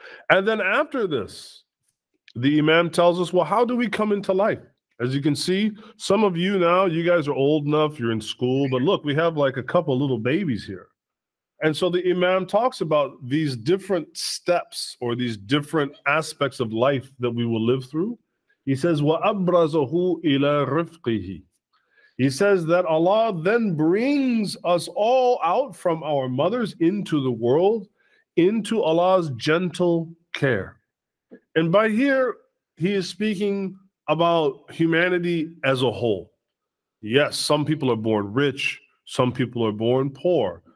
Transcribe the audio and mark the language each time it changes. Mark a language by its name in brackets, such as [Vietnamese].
[English] And then after this, the Imam tells us, well, how do we come into life? As you can see, some of you now, you guys are old enough, you're in school, but look, we have like a couple little babies here. And so the Imam talks about these different steps or these different aspects of life that we will live through. [Arabic] He says, وَأَبْرَزَهُ إِلَى رِفْقِهِ. [English] He says that Allah then brings us all out from our mothers into the world, into Allah's gentle care. And by here, he is speaking about humanity as a whole. Yes, some people are born rich, some people are born poor.